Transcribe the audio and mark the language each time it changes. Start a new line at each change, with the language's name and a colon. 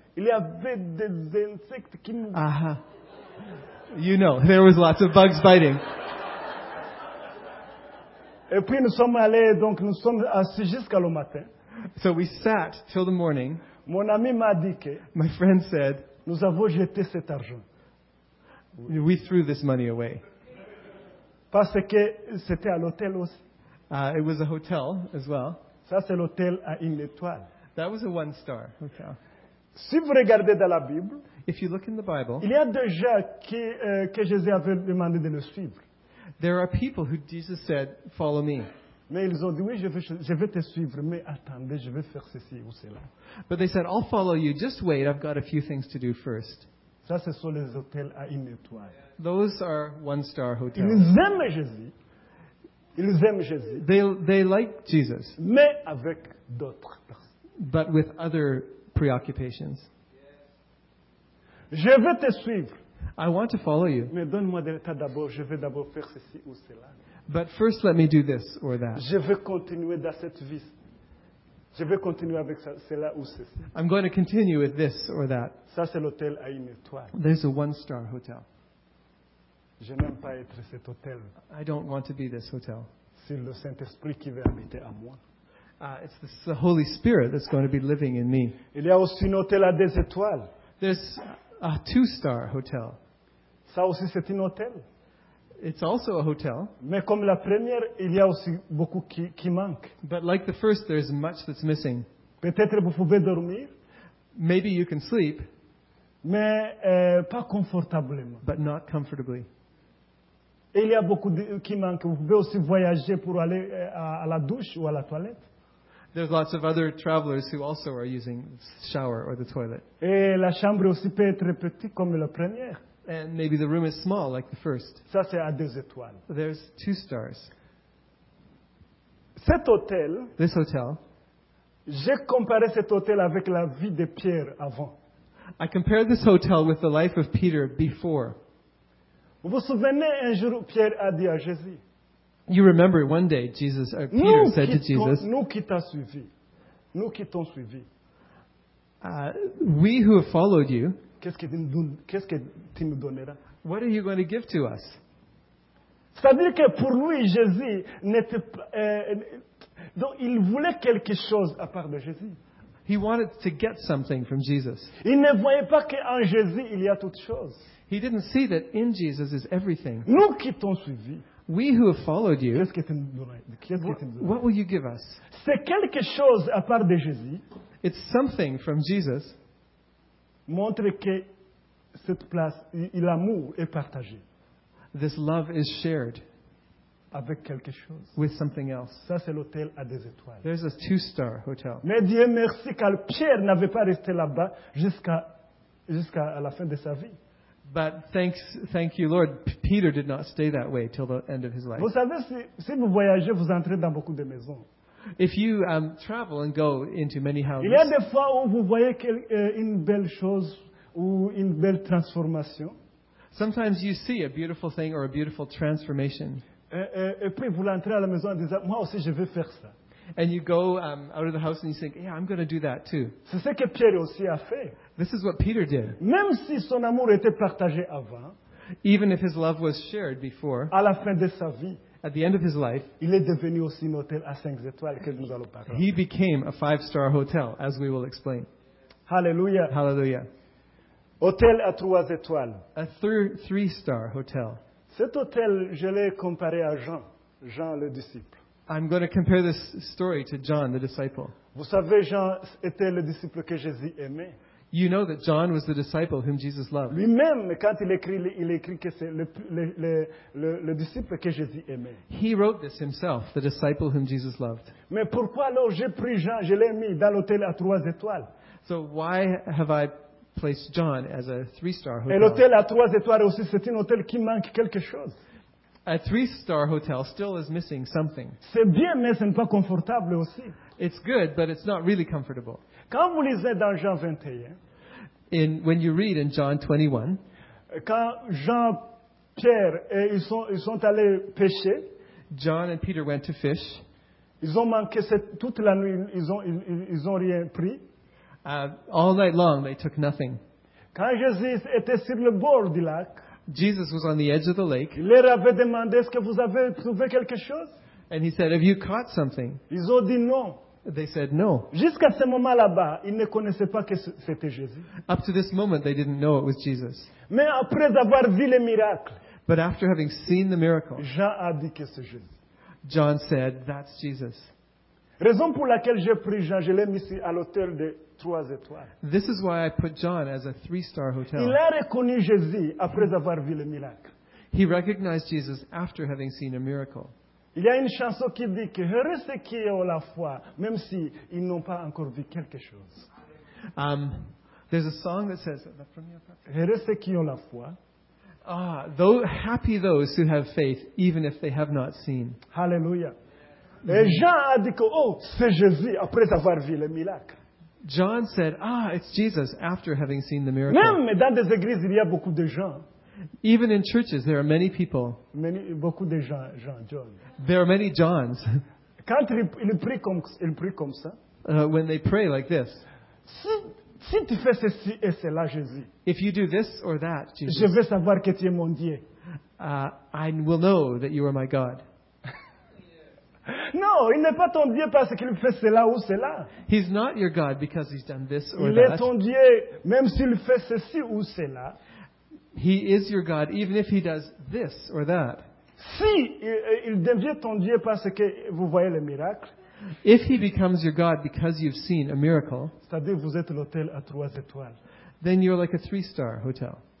French: il y avait des insectes qui nous.
English: You know, there was lots of bugs biting.
French: Et puis nous sommes allés, donc nous sommes assis jusqu'à le matin.
English: So we sat till the morning.
French: Mon ami m'a dit que.
English: My friend said.
French: Nous avons jeté cet argent.
English: We threw this money away.
French: Parce que c'était à l'hôtel aussi.
English: It was a hotel as well.
French: Ça, c'est l'hôtel à une étoile.
English: That was a 1-star hotel.
French: Si vous regardez dans la Bible,
English: if you look in the Bible,
French: il y a des gens que Jésus avait demandé de le suivre.
English: There are people who Jesus said, follow me.
French: Mais ils ont dit, oui, je vais te suivre, mais attendez, je vais faire ceci ou cela.
English: But they said, I'll follow you, just wait, I've got a few things to do first.
French: Ça, ce sont les hôtels à une étoile.
English: Those are 1-star hotels.
French: Ils aiment Jésus. Ils aiment Jésus.
English: They like Jesus.
French: Mais avec d'autres personnes.
English: But with other preoccupations.
French: Je vais te suivre.
English: I want to follow you.
French: Mais donne-moi de l'état d'abord. Je vais d'abord faire ceci ou cela.
English: But first let me do this or that.
French: Je vais continuer dans cette vie. Je vais continuer avec ça, cela ou ceci.
English: I'm going to continue with this or that.
French: Ça, c'est l'hôtel à une étoile.
English: There's a 1-star hotel.
French: Je n'aime pas être cet hôtel.
English: I don't want to be this hotel.
French: C'est le Saint-Esprit qui veut habiter à moi.
English: It's the Holy Spirit that's going to be living in me.
French: Il y a aussi un hôtel à deux étoiles.
English: There's a two-star hotel.
French: Ça aussi, c'est un hôtel.
English: It's also a hotel.
French: Mais comme la première, il y a aussi beaucoup qui manque.
English: But like the first, there's much that's missing.
French: Peut-être vous pouvez dormir.
English: Maybe you can sleep.
French: Mais pas confortablement.
English: But not comfortably.
French: Et il y a beaucoup qui manque. Vous pouvez aussi voyager pour aller à la douche ou à la toilette.
English: There's lots of other travelers who also are using the shower or the toilet.
French: Et la chambre aussi peut être petite comme la première.
English: And maybe the room is small like the first.
French: Ça, c'est à deux étoiles.
English: There's two stars.
French: Cet hôtel,
English: this hotel,
French: j'ai comparé cet hôtel avec la vie de Pierre avant.
English: I compared this hotel with the life of Peter before.
French: Vous vous souvenez un jour Pierre a dit à Jésus?
English: You remember one day Jesus or Peter nous said
French: quittons,
English: to Jesus,
French: nous qui t'as suivi. Nous qui t'ont suivi.
English: We who have followed you,
French: qu'est-ce que tu me donneras?
English: What are you going to give to us?
French: C'est-à-dire que pour lui Jésus n'était pas donc il voulait quelque chose à part de Jésus.
English: He wanted to get something from Jesus.
French: Il ne voyait pas qu'en Jésus il y a toutes choses.
English: He didn't see that in Jesus is everything.
French: Nous qui t'ont suivi.
English: We who have followed you.
French: Qu'est-ce que tu nous donnes?
English: What will you give us?
French: C'est quelque chose à part de Jésus.
English: It's something from Jesus.
French: Montre que cette place, l'amour est partagé.
English: This love is shared.
French: Avec quelque chose.
English: With something else.
French: Ça, c'est l'hôtel à deux étoiles.
English: There's a two-star hotel.
French: Mais Dieu merci car Pierre n'avait pas resté là-bas jusqu'à la fin de sa vie.
English: But thank you, Lord. Peter did not stay that way till the end of his life.
French: Vous savez, si vous voyagez, vous entrez dans beaucoup de maisons.
English: If you travel and go into many houses.
French: Il y a des fois où vous voyez une belle chose ou une belle transformation.
English: Sometimes you see a beautiful thing or a beautiful transformation.
French: Et puis vous l'entrez à la maison en disant, moi aussi je veux faire ça.
English: And you go out of the house and you think, yeah, I'm going to do that too.
French: C'est ce que Pierre aussi a fait.
English: This is what Peter did.
French: Même si son amour était partagé avant,
English: even if his love was shared before,
French: à la fin de sa vie,
English: at the end of his life,
French: il est devenu aussi un hôtel à cinq étoiles que nous allons parler.
English: He became a five-star hotel, as we will explain. Hallelujah. Hallelujah.
French: Hôtel à trois étoiles.
English: A three-star hotel.
French: Cet hôtel, je l'ai comparé à Jean le disciple.
English: I'm going to compare this story to John, the disciple.
French: Vous savez, Jean était le disciple que Jésus aimait.
English: You know that John was the disciple whom Jesus loved.
French: Lui-même, quand il écrit que c'est le disciple que Jésus aimait.
English: He wrote this himself, the disciple whom Jesus loved.
French: Mais pourquoi alors j'ai pris Jean, je l'ai mis dans l'hôtel à trois étoiles?
English: So why have I placed John as a three-star hotel?
French: Et l'hôtel à trois étoiles aussi, c'est un hôtel qui manque quelque chose.
English: A three-star hotel still is missing something.
French: C'est bien, mais ce n'est pas confortable aussi.
English: It's good, but it's not really comfortable.
French: Quand vous lisez dans Jean 21,
English: when you read in John 21,
French: quand Jean, Pierre, et ils sont allés pêcher,
English: John and Peter went to fish,
French: ils ont manqué toute la nuit, ils ont rien pris.
English: All night long, they took nothing.
French: Quand Jésus était sur le bord du lac,
English: Jesus was on the edge of the lake.
French: Il leur avait demandé, est-ce que vous avez trouvé quelque chose?
English: And he said, have you caught something?
French: Ils ont dit non.
English: They said no.
French: Jusqu'à ce moment là-bas, ils ne connaissaient pas que c'était Jésus.
English: Up to this moment, they didn't know it was Jesus.
French: Mais après avoir vu le miracle,
English: but after having seen the miracle,
French: Jean a dit que c'est Jésus.
English: John said, that's Jesus.
French: Raison pour laquelle j'ai pris Jean, je l'ai mis à l'hôtel de trois étoiles.
English: This is why I put John as a three-star hotel.
French: Il a reconnu Jésus après avoir vu le miracle.
English: He recognized Jesus after having seen a miracle.
French: Il y a une chanson qui dit que heureux ceux qui ont la foi, même s'ils n'ont pas encore vu quelque chose.
English: There's a song that says,
French: heureux ceux qui ont la foi.
English: Happy those who have faith, even if they have not seen. Hallelujah. Mm-hmm.
French: Et Jean a dit que, oh, c'est Jésus après avoir vu le miracle.
English: John said, ah, it's Jesus after having seen the miracle.
French: Même dans des églises, il y a beaucoup de gens.
English: Even in churches, there are many people.
French: Beaucoup de gens, John.
English: There are many Johns.
French: Quand il prie comme ça,
English: when they pray like this,
French: si tu fais ceci et cela, Jésus,
English: if you do this or that, Jesus,
French: je veux savoir que tu es mon Dieu.
English: I will know that you are my God. No,
French: Non, il n'est pas ton Dieu parce qu'il fait cela ou cela.
English: He's not your God because he's done this or
French: il
English: that.
French: Il est ton Dieu même s'il fait ceci ou cela.
English: He is your God even if he does this or that.
French: Si il devient ton Dieu parce que vous voyez le miracle.
English: If he becomes your God because you've seen a miracle.
French: C'est-à-dire vous êtes l'hôtel à trois étoiles.
English: Then you're like a three-star hotel.